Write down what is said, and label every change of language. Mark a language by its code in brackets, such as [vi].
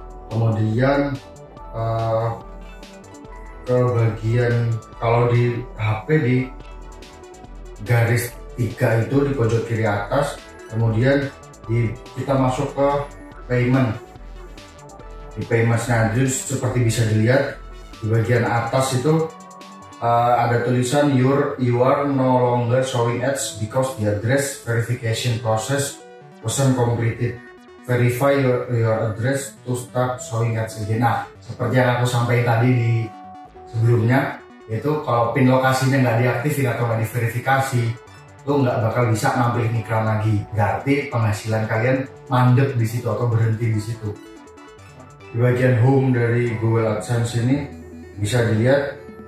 [id] Kemudian ke bagian, kalau di HP di garis 3 itu di pojok kiri atas. Kemudian kita masuk ke payment. Di paymentnya itu seperti bisa dilihat di bagian atas itu. Ada tulisan [en] you are no longer showing ads because the address verification process wasn't completed. Verify your address to start showing ads again. [id] Nah, seperti yang aku sampaikan tadi di sebelumnya, yaitu kalau pin lokasinya nggak diaktifin atau nggak diverifikasi, lo nggak bakal bisa nampilin iklan lagi. Berarti penghasilan kalian mandek di situ atau berhenti di situ. Di bagian home dari Google AdSense ini bisa dilihat.